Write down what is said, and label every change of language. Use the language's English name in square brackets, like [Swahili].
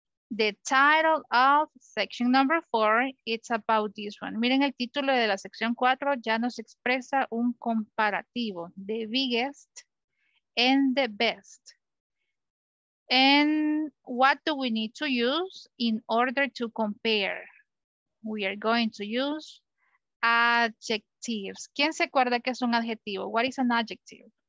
[English] The title of section number four, it's about this one. [Spanish] Miren el título de la sección 4, ya nos expresa un comparativo. [English] The biggest and the best. And what do we need to use in order to compare? We are going to use adjectives. [Spanish] ¿Quién se acuerda qué es un adjetivo? [English] What is an adjective?